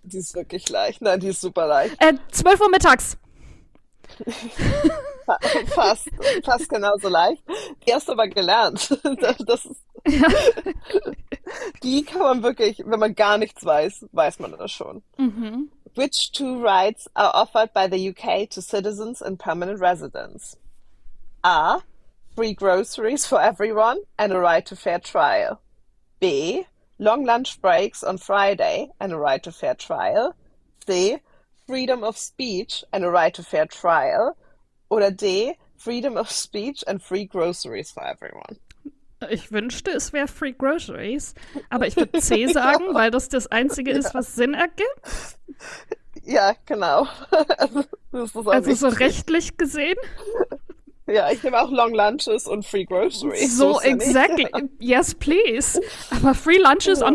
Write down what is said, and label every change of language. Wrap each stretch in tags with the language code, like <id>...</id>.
<de>Die ist wirklich leicht. Nein, die ist super leicht. 12 Uhr mittags. Fast, fast genauso leicht. Die hast du aber gelernt. Das ist, die kann man wirklich, wenn man gar nichts weiß, weiß man das schon.</de> <en>Which two rights are offered by the UK to citizens and permanent residents? A. Free groceries for everyone and a right to fair trial. B. Long lunch breaks on Friday and a right to fair trial. C. Freedom of speech and a right to fair trial.</en> <de>Oder</de> <en>D. Freedom of speech and free groceries for everyone.</en> <de>Ich wünschte, es wäre</de> <en>Free Groceries,</en> <de>Ja. aber ich würde C sagen, weil das das Einzige ist, was Sinn ergibt. Ja, genau. Also, das ist auch Also so richtig. rechtlich gesehen. Ja, ich nehme auch</de> <en>Long Lunches</en> <de>und</de> <en>Free Groceries,</en> <de>so So ist ja nicht.</de> <en>exactly, yes please.</en> <de>Aber</de> <en>Free Lunches on</en>